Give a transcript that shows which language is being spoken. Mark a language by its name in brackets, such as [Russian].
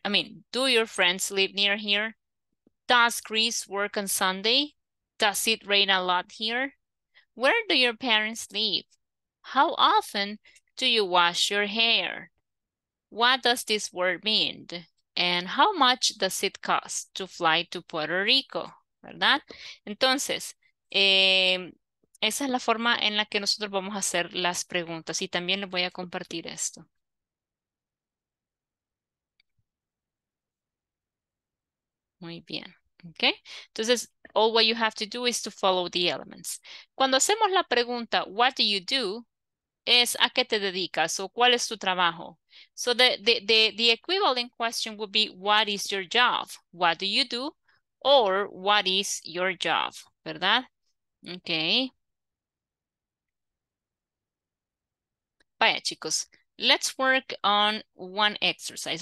[English] I mean, do your friends live near here? Does Chris work on Sunday? Does it rain a lot here? Where do your parents live? How often do you wash your hair? What does this word mean? And how much does it cost to fly to Puerto Rico? [Spanish] ¿Verdad? Entonces, esa es la forma en la que nosotros vamos a hacer las preguntas. Y también les voy a compartir esto. Muy bien. Okay. [English] Entonces, all what you have to do is to follow the elements. [Spanish] Cuando hacemos la pregunta, [English] what do you do? [Spanish] Es a qué te dedicas o cuál es tu trabajo. [English] So the equivalent question would be, what is your job? What do you do? Or what is your job? ¿Verdad? Okay. [Spanish] Vaya, chicos. [English] Let's work on one exercise.